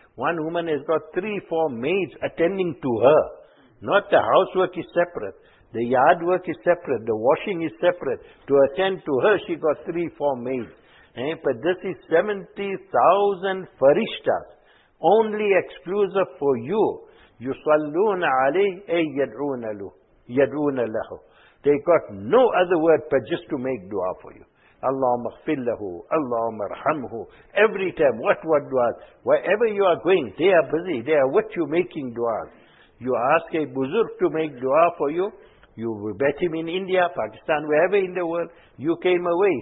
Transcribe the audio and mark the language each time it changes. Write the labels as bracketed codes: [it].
[en] One woman has got 3-4 maids attending to her. Not the housework is separate. The yard work is separate. The washing is separate. To attend to her, she got 3-4 maids. But this is 70,000 farishtas. Only exclusive for you. [ar] يصلون عليه أي يدعون له يدعون له. [en] They got no other word but just to make dua for you. [ar] Allahumma ighfir lahu, Allahumma irhamhu. [en] Every time, what duas? Wherever you are going, they are busy. They are what you making duas. You ask a buzurg to make dua for you. You bet him in India, Pakistan, wherever in the world. You came away.